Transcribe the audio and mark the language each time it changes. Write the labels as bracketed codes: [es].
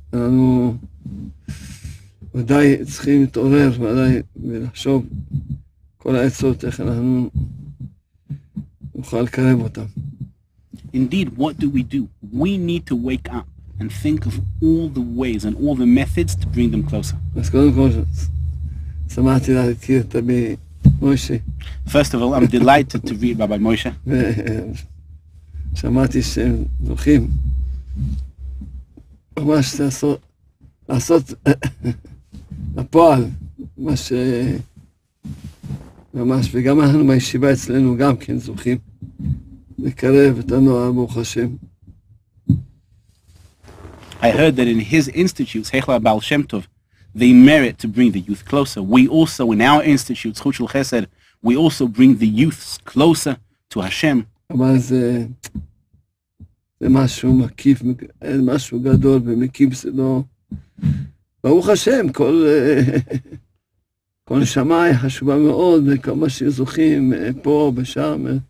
[he] אנחנו ודאי צריכים להתעורר ודאי ולחשוב כל העצות איך אנחנו נוכל לקרב אותם. [en] Indeed, what do we do? We need to wake up and think of all the ways and all the methods to bring them closer. [he] אז קודם כל, שמחתי להכיר את רבי מוישה. [en] First of all, I'm delighted to read Rabbi Moshe. [he] שמעתי שהם זוכים ממש לעשות לפועל מה ש... ממש, וגם אנחנו מהישיבה אצלנו גם כן זוכים לקרב את הנוער ברוך השם. [en] I heard that in his institutes, Heichla Baal Shem Tov, they merit to bring the youth closer. We also, in our institutes, Chut Shul Chesed, we also bring the youths closer to Hashem. [he] אבל זה... זה משהו מקיף, משהו גדול ומקיף, זה לא... ברוך השם, כל... כל נשמה היא חשובה מאוד, וכמה שזוכים פה, בשם.